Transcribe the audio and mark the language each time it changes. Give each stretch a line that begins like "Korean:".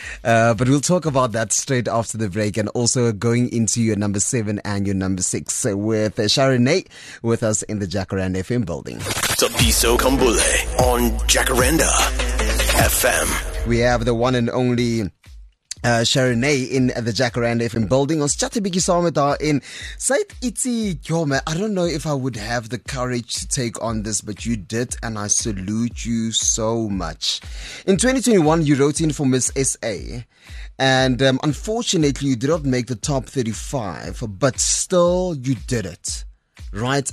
English: But we'll talk about that straight after the break, and also going into your number 7 and your number 6 with Chardonnay with us in the Jacaranda FM building. Tapiso Kambule on Jacaranda FM. We have the one and only Chardonnay in the Jacaranda FM building.
Afrikaans: Ons chatte bietjie saam met haar en sy het ietsie jomme.
English: I don't know if I would have the courage to take on this, but you did and I salute you so much. In 2021, you wrote in for Miss SA and unfortunately, you did not make the top 35, but still you did it. Right?